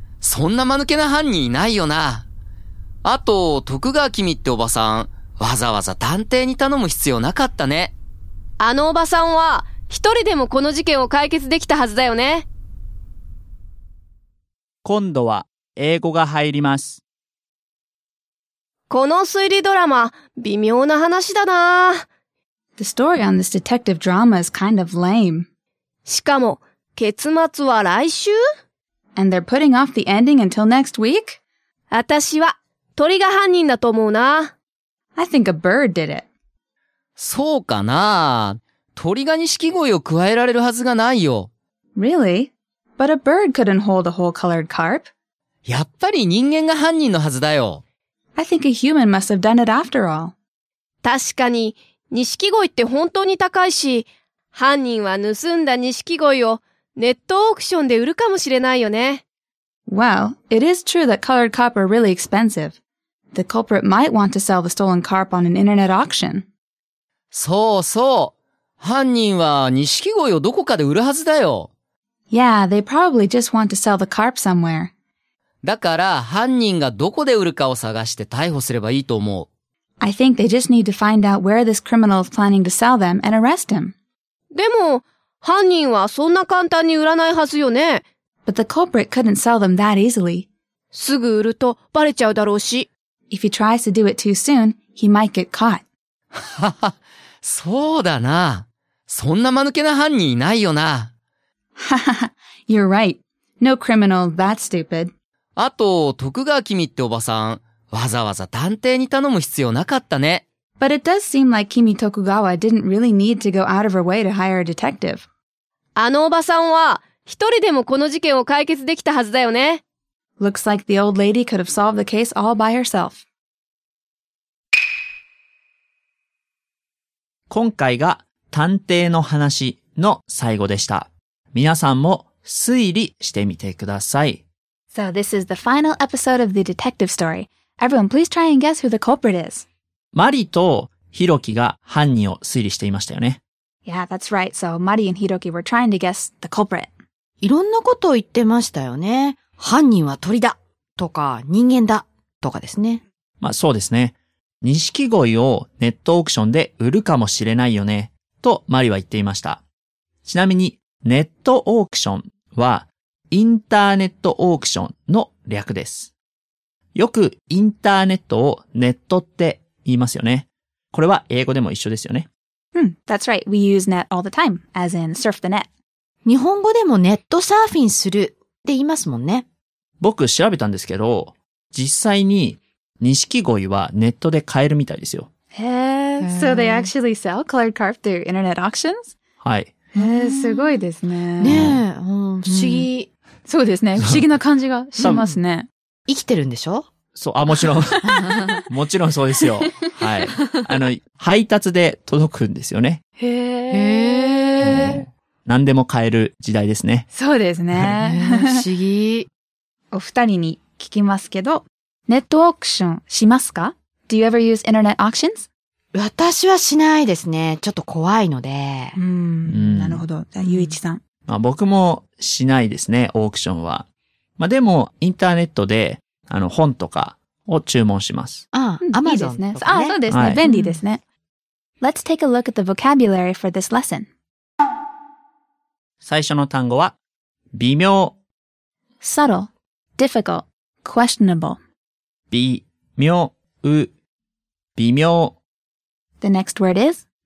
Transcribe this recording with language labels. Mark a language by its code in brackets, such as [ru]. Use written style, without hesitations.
[ja] そんな間抜けな犯人いないよな。あと徳川君っておばさん、わざわざ探偵に頼む必要なかったね。あのおばさんは一人でもこの事件を解決できたはずだよね。今度は英語が入ります。この推理ドラマ、微妙な話だな。 [en] The story on this detective drama is kind of lame. [ja] しかも、結末は来週？ [en] And they're putting off the ending until next week? [ja] 私は、鳥が犯人だと思うな。 [en] I think a bird did it. [ja] そうかな。鳥がに錦鯉を加えられるはずがないよ。 [en] Really? But a bird couldn't hold a whole colored carp. [ja] やっぱり人間が犯人のはずだよ。 [en] I think a human must have done it after all. [ja] 確かに、錦鯉って本当に高いし、犯人は盗んだ錦鯉をネットオークションで売るかもしれないよね。 [en] Well, it is true that colored carp are really expensive. The culprit might want to sell the stolen carp on an internet auction. [ja] そうそう。犯人は錦鯉をどこかで売るはずだよ。 [en] Yeah, they probably just want to sell the carp somewhere. [ja] だから犯人がどこで売るかを探して逮捕すればいいと思う。 [en] I think they just need to find out where this criminal is planning to sell them and arrest him. [ja] でも犯人はそんな簡単に売らないはずよね。 [en] But the culprit couldn't sell them that easily. [ja] すぐ売るとバレちゃうだろうし。 [en] If he tries to do it too soon, he might get caught. [ja] ははそうだな。そんな間抜けな犯人いないよな。 [en] Haha, you're right. No criminal that stupid. [ja] あと、徳川君っておばさん、わざわざ探偵に頼む必要なかったね。 [en] But it does seem like Kimi Tokugawa didn't really need to go out of her way to hire a detective. [ja] あのおばさんは、一人でもこの事件を解決できたはずだよね。 [en] Looks like the old lady could have solved the case all by herself. [ja] 今回が探偵の話の最後でした。皆さんも推理してみてください。 [en] So this is the final episode of the detective story. Everyone, please try and guess who the culprit is. [ja] マリとヒロキが犯人を推理していましたよね。 [en] Yeah, that's right. So, Mari and Hiroki were trying to guess the culprit. [ja] いろんなことを言ってましたよね。犯人は鳥だとか人間だとかですね。まあそうですね。錦鯉をネットオークションで売るかもしれないよねとマリは言っていました。ちなみにネットオークションはインターネットオークションの略です。よくインターネットをネットって言いますよね。これは英語でも一緒ですよね。 [en] うん、that's right. We use net all the time, as in surf the net. [ja] 日本語でもネットサーフィンするって言いますもんね。僕調べたんですけど、実際に錦鯉はネットで買えるみたいですよ。 [en] へぇ、so they actually sell colored carp through internet auctions? [ja] はい。へぇ、すごいですね。ねぇ、うん、不思議、うん。そうですね、不思議な感じがしますね。生きてるんでしょ？そう、あ、もちろん。もちろんそうですよ。はい。あの、配達で届くんですよね。へぇ、うん、何でも買える時代ですね。そうですね。不思議。お二人に聞きますけど、ネットオークションしますか？ [en] Do you ever use internet auctions? [ja] 私はしないですね。ちょっと怖いので。なるほど。じゃあ、ゆういちさん。まあ僕もしないですね、オークションは。まあでも、インターネットで、あの、本とかを注文します。ああ、アマゾンですね。ああ、そうですね。はい、便利ですね。 [en] Let's take a look at the vocabulary for this lesson. [ja] 最初の単語は、微妙。 [en] subtle, difficult, questionable. [ja] 微妙、微妙。 [en] The next word is,